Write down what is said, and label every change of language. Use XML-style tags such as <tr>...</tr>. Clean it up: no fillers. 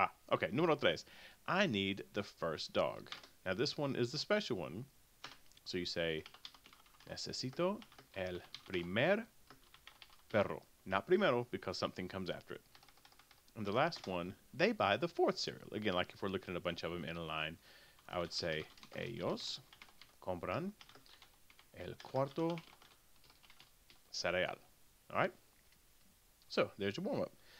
<en>Okay,</en> <es>número tres.</es> <en>I need the first dog. Now this one is the special one. So you say,</en> <es>necesito el primer perro.</es> <en>Not primero, because something comes after it. And the last one, they buy the fourth cereal. Again, like if we're looking at a bunch of them in a line, I would say,</en> <es>ellos compran el cuarto cereal.</es> <en>All right? So there's your warm up.</en>